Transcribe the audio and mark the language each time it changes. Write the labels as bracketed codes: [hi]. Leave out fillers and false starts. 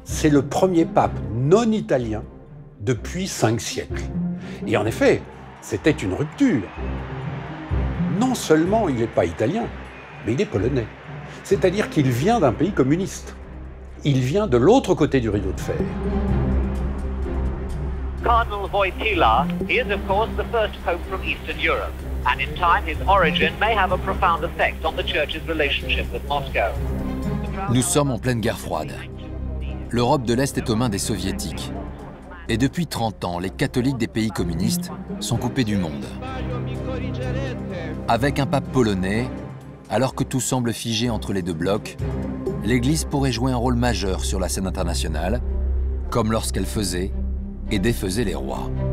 [fr] C'est le premier pape non italien depuis 5 siècles. Et en effet, c'était une rupture. Non seulement il n'est pas italien, mais il est polonais. C'est-à-dire qu'il vient d'un pays communiste. Il vient de l'autre côté du rideau de fer. [en] Cardinal Wojtyła, he is of course the first pope from Eastern Europe, and in time his origin may have a profound effect on the church's relationship with Moscow. [fr] Nous sommes en pleine guerre froide. L'Europe de l'Est est aux mains des soviétiques. Et depuis 30 ans, les catholiques des pays communistes sont coupés du monde. Avec un pape polonais, alors que tout semble figé entre les deux blocs, l'Église pourrait jouer un rôle majeur sur la scène internationale, comme lorsqu'elle faisait et défaisait les rois.